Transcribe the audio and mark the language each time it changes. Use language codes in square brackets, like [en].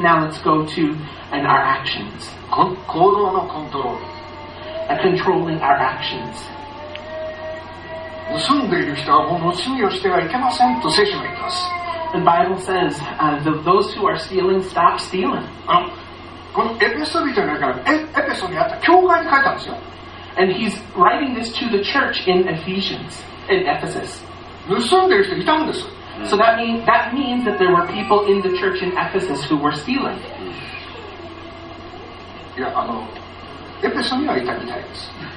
[en] Now let's go to and our actions. [ja] 行動のコントロール。 [en] A controlling our actions. [ja] 盗んでいる人はもう罪をしてはいけませんと聖書が言っています。 [en] The Bible says, those who are stealing, stop stealing. [ja] このエペソ人だからエペソにあった教会に書いたんですよ。 [en] And he's writing this to the church in Ephesians, in Ephesus. [ja] 盗んでいる人いたんです。 [en] So that means that there were people in the church in Ephesus who were stealing. [ja] いや、エペソにはいたみたいです。